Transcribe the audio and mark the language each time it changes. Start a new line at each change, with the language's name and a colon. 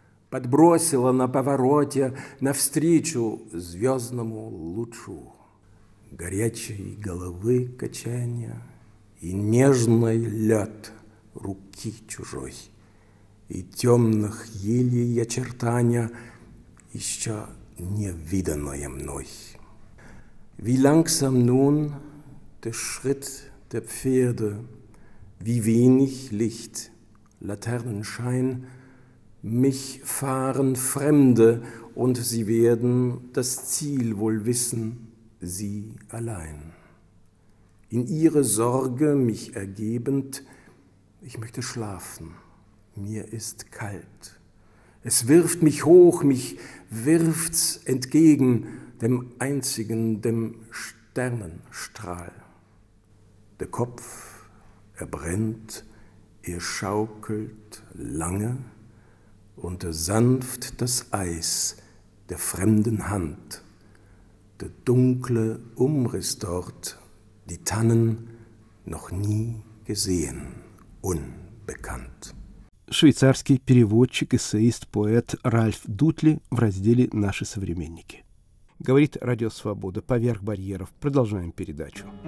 Russian: Подбросила на повороте навстречу звездному лучу. Горячей головы качанья и нежный лед руки чужой, и темных елей очертания, еще не виданное мной.
German: Wie langsam nun der Schritt der Pferde, wie wenig Licht, Laternenschein, mich fahren Fremde, und sie werden das Ziel wohl wissen, sie allein. In ihre Sorge mich ergebend, ich möchte schlafen, mir ist kalt. Es wirft mich hoch, mich wirft's entgegen dem einzigen, dem Sternenstrahl. Der Kopf, er brennt, er schaukelt lange und sanft das Eis der fremden Hand, der dunkle Umriss dort, die Tannen noch nie gesehen, unbekannt.
Russian: Швейцарский переводчик, эссеист, поэт Ральф Дутли в разделе «Наши современники». Говорит Радио Свобода. Поверх барьеров. Продолжаем передачу.